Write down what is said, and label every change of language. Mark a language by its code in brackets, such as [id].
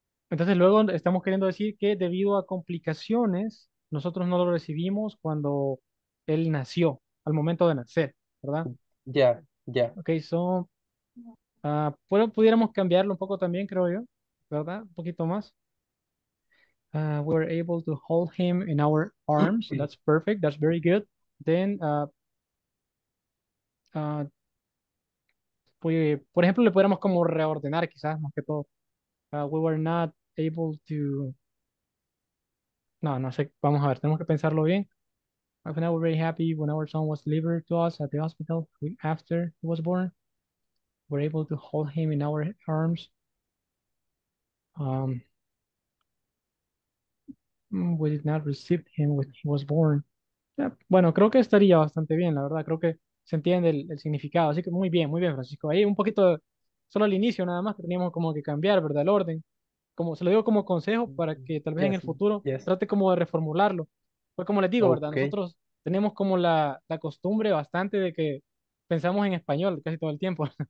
[es] Entonces, luego estamos queriendo decir que debido a complicaciones, nosotros no lo recibimos cuando él nació, al momento de nacer, ¿verdad? [en] Yeah. Yeah. Okay, so [es] pudiéramos cambiarlo un poco también, creo yo, ¿verdad? Un poquito más. [en] We were able to hold him in our arms. That's perfect. That's very good. Then [es] por ejemplo, le pudiéramos como reordenar quizás más que todo. [en] We were not able to. [es] No sé. Vamos a ver, tenemos que pensarlo bien. [en] I was very happy when our son was delivered to us at the hospital week after he was born. We were able to hold him in our arms. We did not receive him when he was born. Yeah. [es] Bueno, creo que estaría bastante bien, la verdad. Creo que se entiende el significado. Así que muy bien, Francisco. Ahí un poquito, solo al inicio nada más, teníamos como que cambiar, ¿verdad? El orden. Como, se lo digo como consejo para que tal vez en el futuro trate como de reformularlo. Pues como les digo, ¿verdad? Nosotros tenemos como la costumbre bastante de que pensamos en español casi todo el tiempo.